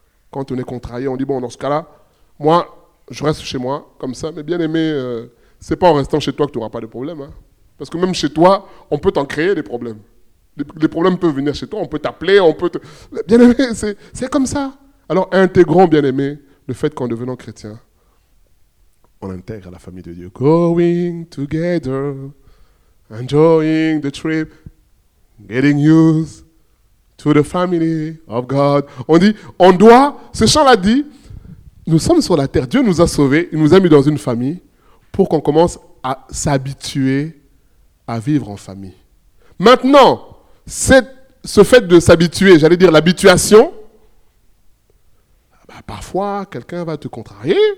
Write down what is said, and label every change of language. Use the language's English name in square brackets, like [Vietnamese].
[French] Quand on est contrarié, on dit, bon, dans ce cas-là, moi, je reste chez moi, comme ça, mais bien aimé, c'est pas en restant chez toi que tu n'auras pas de problème. Hein. Parce que même chez toi, on peut t'en créer des problèmes. Les problèmes peuvent venir chez toi, on peut t'appeler, on peut te... Bien aimé, c'est comme ça. Alors, intégrons, bien aimé, le fait qu'en devenant chrétien, on intègre la famille de Dieu. [English] Going together, enjoying the trip, getting used to the family of God. [French] On dit, on doit, ce chant-là dit, nous sommes sur la terre, Dieu nous a sauvés, il nous a mis dans une famille pour qu'on commence à s'habituer à vivre en famille. Maintenant, ce fait de s'habituer, j'allais dire l'habituation, bah parfois, quelqu'un va te contrarier.